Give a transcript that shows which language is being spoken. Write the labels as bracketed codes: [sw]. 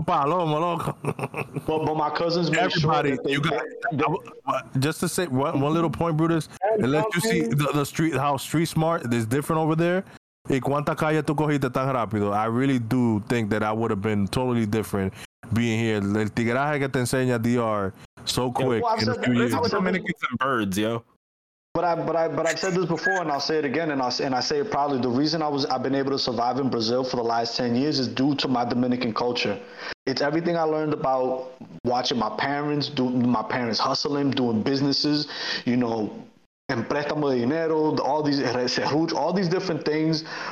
[en] But my cousins made everybody, sure. One little point, Brutus. And let you see the street, how street smart is different over there. [es] ¿Y cuánta calle tú cogiste tan rápido? [en] I really do think that I would have been totally different. Being here, [es] el tigreaje que te enseña DR [en] so quick. But I've said this before, and I'll say it again, and I say it proudly. The reason I've been able to survive in Brazil for the last 10 years is due to my Dominican culture. It's everything I learned about watching my parents do, my parents hustling, doing businesses, you know, and [es] préstamo de dinero, [en] all these, all these different things.